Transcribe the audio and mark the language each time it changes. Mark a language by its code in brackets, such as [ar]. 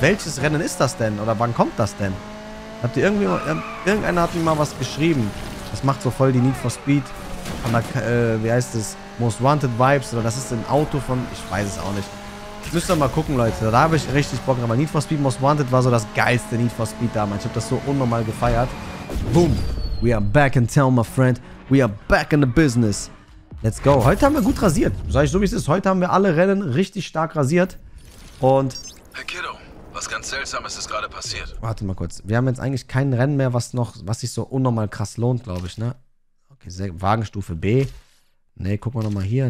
[de] Welches Rennen ist das denn? Oder wann kommt das denn? Habt ihr irgendwie mal, irgendeiner hat mir mal was geschrieben. Das macht so voll die Need for Speed an der, wie heißt es? Most Wanted Vibes. Oder das ist ein Auto von, ich weiß es auch nicht. Müsst ihr mal gucken, Leute. Da habe ich richtig Bock drauf. Need for Speed Most Wanted war so das geilste Need for Speed damals. Ich habe das so unnormal gefeiert. Boom. [en] We are back in town, my friend. We are back in the business. Let's go. [de] Heute haben wir gut rasiert. Sag ich so, wie es ist. Heute haben wir alle Rennen richtig stark rasiert. Und... Hey Kiddo, was ganz Seltsames ist gerade passiert. Warte mal kurz. Wir haben jetzt eigentlich kein Rennen mehr, was noch, was sich so unnormal krass lohnt, glaube ich, ne? Okay, Wagenstufe B. Nee, gucken wir nochmal hier.